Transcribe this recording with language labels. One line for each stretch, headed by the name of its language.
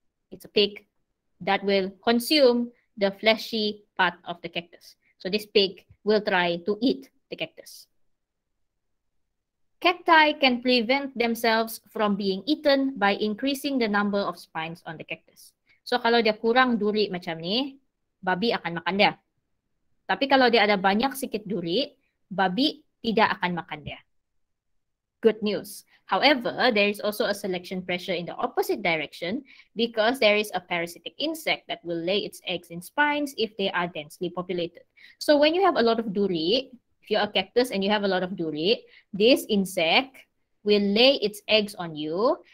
English: It's a pig that will consume the fleshy part of the cactus. So this pig will try to eat the cactus. Cacti can prevent themselves from being eaten by increasing the number of spines on the cactus.
Malay: So kalau dia kurang duri macam ni, babi akan makan dia. Tapi kalau dia ada banyak sikit duri, babi tidak akan makan dia.
English: Good news. However, there is also a selection pressure in the opposite direction because there is a parasitic insect that will lay its eggs in spines if they are densely populated. So when you have a lot of duri, if you're a cactus and you have a lot of duri, this insect will lay its eggs on you.